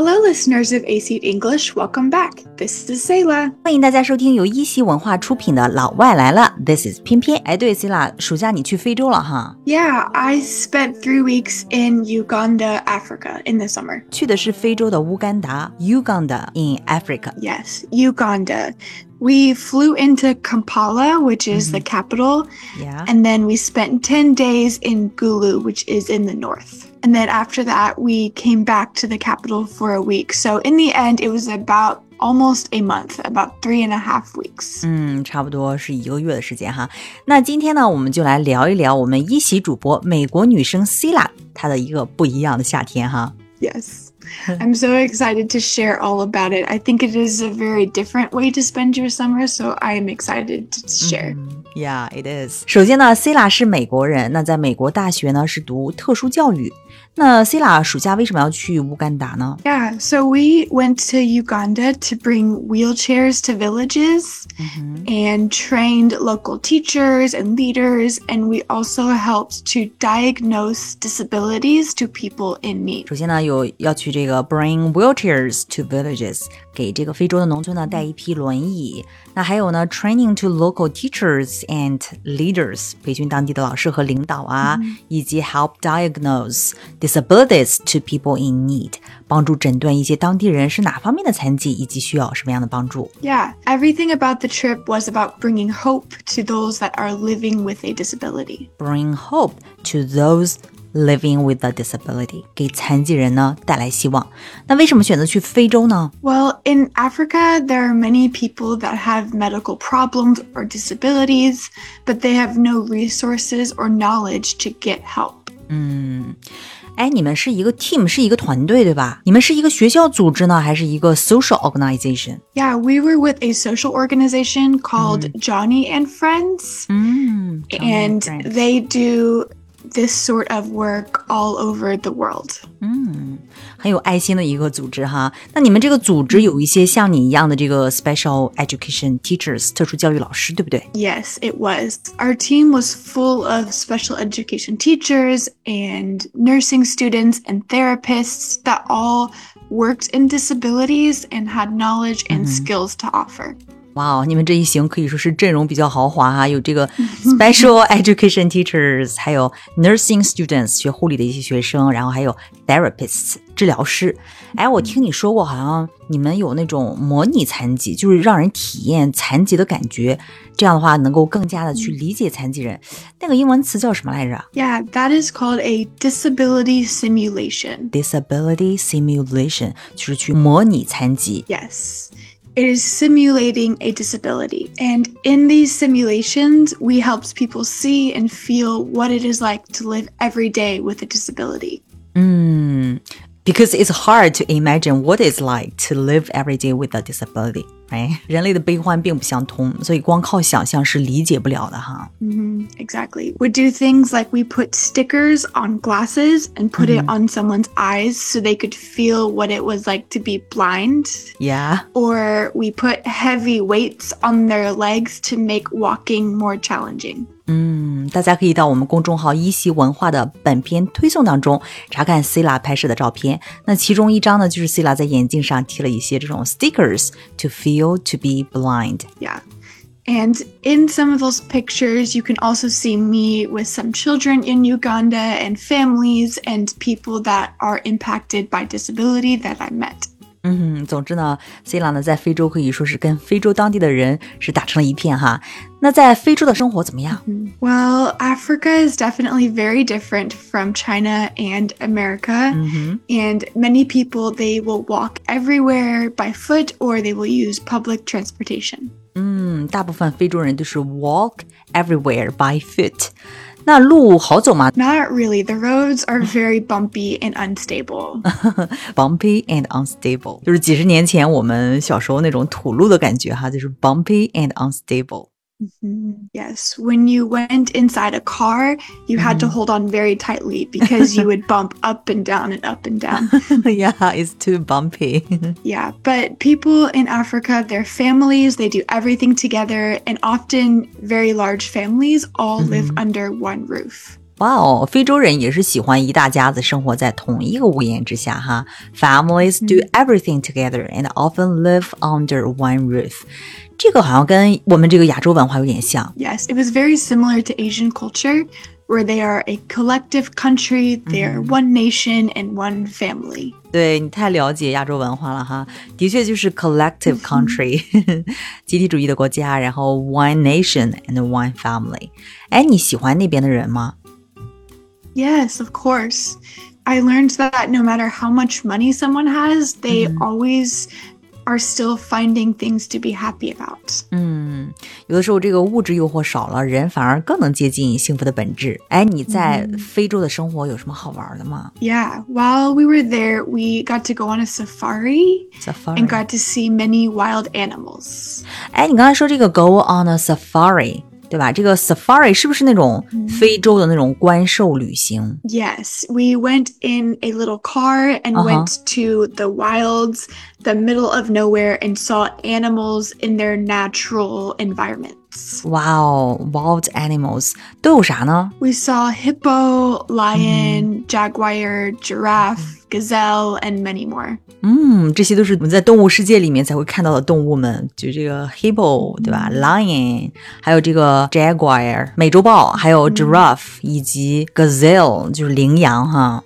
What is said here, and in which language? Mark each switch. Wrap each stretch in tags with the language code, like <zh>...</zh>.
<en>listeners of ACED English, welcome back. This is Sayla.</en> <zh>欢迎大家收听由一席文化出品的老外来了。</zh> <en>This is 翩翩。</en> <zh>哎，对 ,Sayla, 暑假你去非洲了哈。</zh> <en>Yeah, I spent 3 weeks in Uganda, Africa in the summer.</en> <zh>去的是非洲的乌干达 ,</zh> <en>Uganda in Africa. Yes, Uganda. We flew into Kampala, which is、mm-hmm. the capital. Yeah. And then we spent 10 days in Gulu, which is in the north. And then after that, we came back to the capital for a week. So in the end, it was about almost a month, about 3.5 weeks.</en> <zh>嗯，差不多是一个月的时间哈。那今天呢，我们就来聊一聊我们一席主播美国女生 Sayla 她的一个不一样的夏天哈。</zh> <en>Yes, I'm so excited to share all about it. I think it is a very different way to spend your summer, so I am excited to share.、Mm-hmm. Yeah, it is.</en> <zh>首先呢 ,Sayla 是美国人,那在美国大学呢是读特殊教育。那 Sayla 暑假为什么要去乌干达呢?</zh> <en>Yeah, so we went to Uganda to bring wheelchairs to villages、 mm-hmm. and trained local teachers and leaders, and we also helped to diagnose disabilities to people in need.</en> <zh>首先呢有要去这个</zh> <en>bring wheelchairs to villages,</en> <zh>给这个非洲的农村呢带一批轮椅。那还有呢</zh> <en>training to local teachers and leaders,</en> <zh>培训当地的老师和领导啊、mm-hmm. 以及</zh> <en>help diagnose,Disabilities to people in need,</en> <zh>帮助诊断一些当地人是哪方面的残疾以及需要什么样的帮助。</zh> <en>Yeah, everything about the trip was about bringing hope to those that are living with a disability. Bring hope to those living with a disability,</en> <zh>给残疾人呢带来希望。那为什么选择去非洲呢?</zh> <en>Well, in Africa, there are many people that have medical problems or disabilities, but they have no resources or knowledge to get help.</en> <zh>嗯，哎，你们是一个 team, 是一个团队，对吧？你们是一个学校组织呢，还是一个</zh> <en>social organization? Yeah, we were with a social organization called、 mm. Johnny and Friends. And they do this sort of work all over the world.</en> <zh>嗯，很有爱心的一个组织哈。那你们这个组织有一些像你一样的这个</zh> <en>special education teachers,</en> <zh>特殊教育老师，对不对?</zh> <en>Yes, it was. Our team was full of special education teachers and nursing students and therapists that all worked in disabilities and had knowledge and、mm-hmm. skills to offer.</en> <zh>哇、wow, 你们这一行可以说是阵容比较豪华哈、啊、有这个</zh> <en>special education teachers,</en> <zh>还有</zh> <en>nursing students,</en> <zh>学护理的一些学生然后还有 therapists, 治疗师。哎我听你说过好像你们有那种模拟残疾就是让人体验残疾的感觉这样的话能够更加的去理解残疾人。那个英文词叫什么来着</zh> <en>?Yeah, that is called a disability simulation. Disability simulation,</en> <zh>就是去模拟残疾。</zh> <en>Yes. It is simulating a disability. And in these simulations, we help people see and feel what it is like to live every day with a disability. Because it's hard to imagine what it's like to live every day with a disability, right?</en> <zh>人类的悲欢并不相通，所以光靠想象是理解不了的哈。</zh> <en>Exactly. We do things like we put stickers on glasses and put、mm-hmm. it on someone's eyes so they could feel what it was like to be blind. Yeah. Or we put heavy weights on their legs to make walking more challenging.</en> <zh>大家可以到我们公众号一席文化的本篇推送当中查看 Sayla 拍摄的照片。那其中一张呢就是 Sayla 在眼镜上贴了一些这种</zh> <en>stickers to feel to be blind. Yeah. And in some of those pictures, you can also see me with some children in Uganda and families and people that are impacted by disability that I met.</en> <zh>总之呢 ,Sayla 呢在非洲可以说是跟非洲当地的人是打成了一片哈。那在非洲的生活怎么样、</zh> <en>mm-hmm. ?Well, Africa is definitely very different from China and America.、 Mm-hmm. And many people, they will walk everywhere by foot or they will use public transportation.</en> <zh>大部分非洲人都是</zh> <en>walk everywhere by foot.</en> <zh>那路好走吗?</zh> <en>Not really. The roads are very bumpy and unstable. Bumpy and unstable.</en> <zh>就是几十年前我们小时候那种土路的感觉哈，就是</zh> <en>bumpy and unstable. Mm-hmm. Yes, when you went inside a car, you had to hold on very tightly because you would bump up and down and up and down. Yeah, it's too bumpy. Yeah, but people in Africa, their families, they do everything together and often very large families all live under one roof.</en> <zh>哇哦，非洲人也是喜欢一大家子生活在同一个屋檐之下哈。</zh> <en>Families do everything together and often live under one roof.</en> <zh>这个好像跟我们这个亚洲文化有点像。</zh> <en>Yes, it was very similar to Asian culture, where they are a collective country, they are one nation and one family.</en> <zh>对，你太了解亚洲文化了哈。的确就是</zh> <en>collective country,</en> <zh>集体主义的国家，然后</zh> <en>one nation and one family.</en> <zh>哎，你喜欢那边的人吗？</zh> <en>Yes, of course. I learned that no matter how much money someone has, they always are still finding things to be happy about.</en> <zh>有的时候这个物质诱惑少了，人反而更能接近幸福的本质。哎，你在非洲的生活有什么好玩的吗？</zh> <en>Yeah, while we were there, we got to go on a safari and got to see many wild animals.</en> <zh>哎，你刚才说这个</zh> <en>go on a safari,</en> <zh>对吧？这个 safari 是不是那种非洲的那种观兽旅行？</zh> <en>Yes, we went in a little car and went to the wilds, the middle of nowhere, and saw animals in their natural environments. Wow, wild animals.</en> <zh>都有啥呢？</zh> <en>We saw hippo, lion, jaguar, giraffe, gazelle, and many more.</en> <zh>这些都是我们在动物世界里面才会看到的动物们，就这个 hippo 对吧 ，lion， 还有这个 jaguar 美洲豹，还有 giraffe 以及 gazelle 就是羚羊哈。</zh>